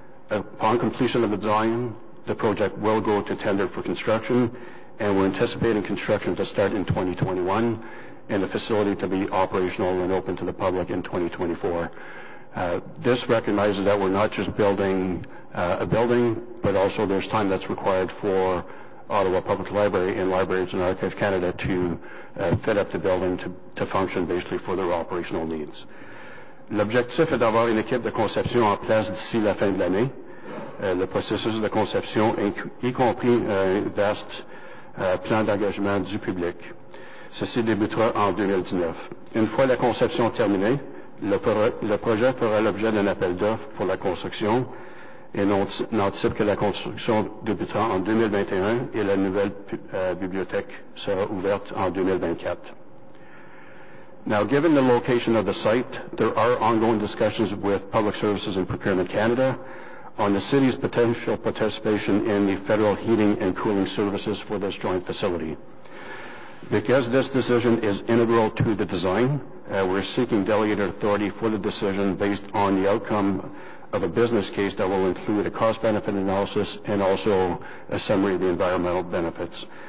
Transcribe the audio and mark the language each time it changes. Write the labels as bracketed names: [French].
[English] Upon completion of the design, the project will go to tender for construction, and we're anticipating construction to start in 2021 and the facility to be operational and open to the public in 2024. This recognizes that we're not just building a building, but also there's time that's required for Ottawa Public Library and Libraries and Archives Canada to fit up the building to function basically for their operational needs. [French] L'objectif est d'avoir une équipe de conception en place d'ici la fin de l'année. Le processus de conception, y compris vaste plan d'engagement du public. Ceci débutera en 2019. Une fois la conception terminée, le projet fera l'objet d'un appel d'offres pour la construction et on anticipe que la construction débutera en 2021 et la nouvelle bibliothèque sera ouverte en 2024. [English] Now, given the location of the site, there are ongoing discussions with Public Services and Procurement Canada on the city's potential participation in the federal heating and cooling services for this joint facility. Because this decision is integral to the design, we're seeking delegated authority for the decision based on the outcome of a business case that will include a cost-benefit analysis and also a summary of the environmental benefits.